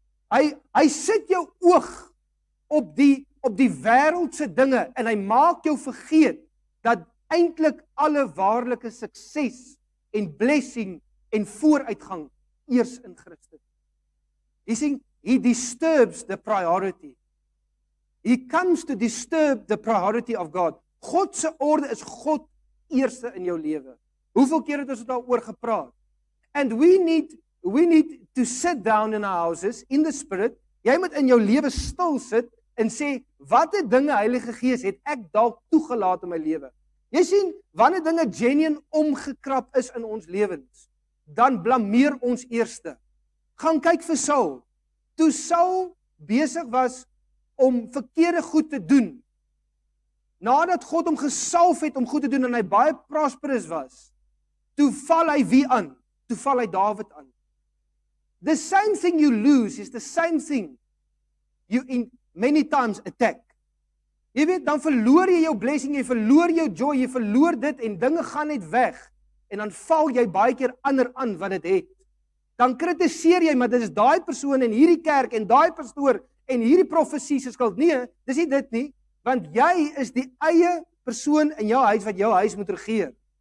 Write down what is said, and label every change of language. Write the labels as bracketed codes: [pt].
[af] Hy sit jou oog op die wêreldse dinge en hy maak jou vergeet dat eintlik alle waarlike sukses en blessing en vooruitgang eers in Christus. [en] He sien, he disturbs the priority. He comes to disturb the priority of God. [af] God se orde is God eerste in jou lewe. Hoeveel keer het ons dit daaroor gepraat? [en] And we need to sit down in our houses in the spirit. [af] Jy moet in jou lewe stil sit en sê watter dinge Heilige Gees het ek dalk toegelaat in my lewe. Jy sien wanneer dinge genuine omgekrap is in ons lewens, dan blameer ons eerste. Gaan kyk vir Saul. Toe Saul besig was om verkeerde goed te doen, nadat God hom gesalf het om goed te doen en hy baie prosperous was, toe val hy wie aan? Toe val hy Dawid aan. [en] The same thing you lose is the same thing you in many times attack. [af] Jy weet, dan verloor jy jou blessing, jy verloor jou joy, jy verloor dit en dinge gaan net weg. En dan val jy baie keer ander aan wat dit het. Dan kritiseer jy, maar dit is daai persoon en hierdie kerk en daai pastoor en hierdie profesie se skuld. Nee, dis nie dit nie, want jy is die eie persoon in jou huis wat jou huis moet regeer.